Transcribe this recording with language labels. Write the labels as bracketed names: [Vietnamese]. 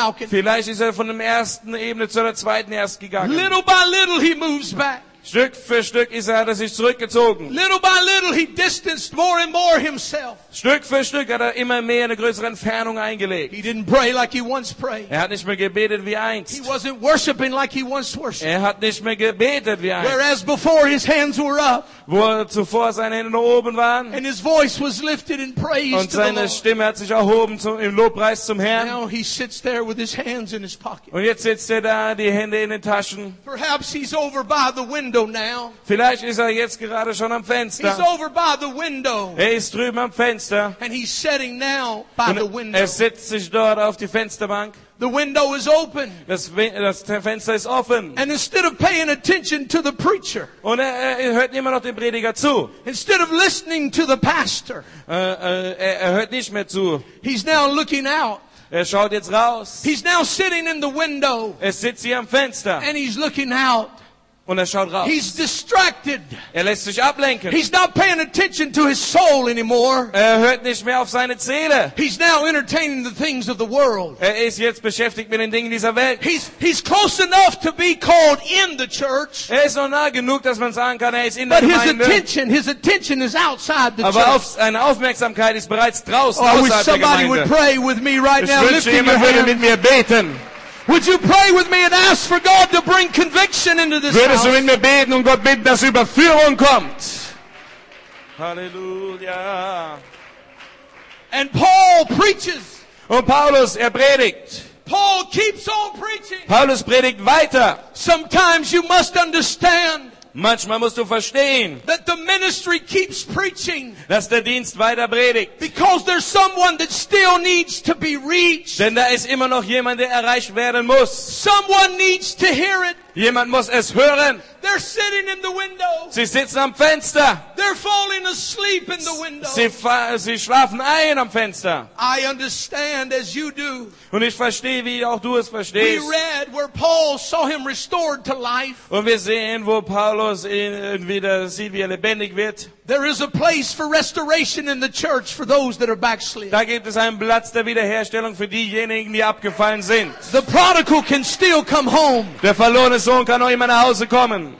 [German] Vielleicht ist er von der ersten Ebene zur zweiten erst gegangen. [English] Little by little he moves back. [German] Stück für Stück ist er, hat er sich zurückgezogen. [English] Little by little he distanced more and more himself. [German] Stück für Stück hat er immer mehr eine größere Entfernung eingelegt. [English] He didn't pray like he once prayed. [German] Er hat nicht mehr gebetet wie einst. [English] He wasn't worshiping like he once worshiped. [German] Er hat nicht mehr gebetet wie einst. [English] Whereas before his hands were up. [German] Wo zuvor seine Hände nur oben waren. [English] And his voice was lifted in praise to the Lord. [German] Und seine Stimme hat sich erhoben im Lobpreis zum Herrn. [English] Now he sits there with his hands in his pocket. [German] Und jetzt sitzt er da, die Hände in den Taschen. [English] Perhaps he's over by the window. [German] Vielleicht ist er jetzt gerade schon am Fenster. [English] He's over by the window. [German] Er ist drüben am Fenster. [English] And he's sitting now by the window. [German] Er setzt sich dort auf die Fensterbank. [English] The window is open. [German] Das Fenster ist offen. [English] And instead of paying attention to the preacher, [German] und er hört immer noch den Prediger zu. [English] Instead of listening to the pastor, [German] er hört nicht mehr zu. [English] He's now looking out. [German] Er schaut jetzt raus. [English] He's now sitting in the window. [German] Er sitzt hier am Fenster. [English] And he's looking out. [German] Und er schaut raus. [English] He's distracted. [German] Er lässt sich ablenken. [English] He's not paying attention to his soul anymore. [German] Er hört nicht mehr auf seine Seele. [English] He's now entertaining the things of the world. [German] Er ist jetzt beschäftigt mit den Dingen dieser Welt. [English] He's close enough to be called in the church. [German] Er ist noch nah genug, dass man sagen kann, er ist in der Gemeinde. [English] But his attention is outside the [German] aber [English] church. [German] Aber seine Aufmerksamkeit ist bereits draußen, oh, außerhalb der Gemeinde. [English] Somebody would pray with me right [German] ich [English] now. [German] Ich wünsche, jemand würde mit mir beten. [English] Would you pray with me and ask for God to bring conviction into this [German] würdest Würdest du mit mir beten und Gott bitten, dass Überführung kommt? [English] Halleluja. And Paul preaches. [German] Und Paulus, er predigt. [English] Paul keeps on preaching. [German] Paulus predigt weiter. [English] Sometimes you must understand. [German] Manchmal musst du verstehen, [English] that the ministry keeps preaching, [German] dass der Dienst weiter predigt, [English] because there's someone that still needs to be reached. [German] Denn da ist immer noch jemand, der erreicht werden muss. [English] Someone needs to hear it. [German] Jemand muss es hören. [English] They're sitting in the window. [German] Sie sitzen am Fenster. [English] They're falling asleep in the window. [German] Sie schlafen ein am Fenster. [English] I understand as you do. [German] Und ich verstehe, wie auch du es verstehst. [English] We read where Paul saw him restored to life. [German] Und wir sehen, wo Paulus ihn wieder sieht, wie er lebendig wird. [English] There is a place for restoration in the church for those that are backslid. [German] Da gibt es einen Platz der Wiederherstellung für diejenigen, die abgefallen sind. [English] The prodigal can still come home. [German] Der verlorene Sohn kann noch immer nach Hause kommen.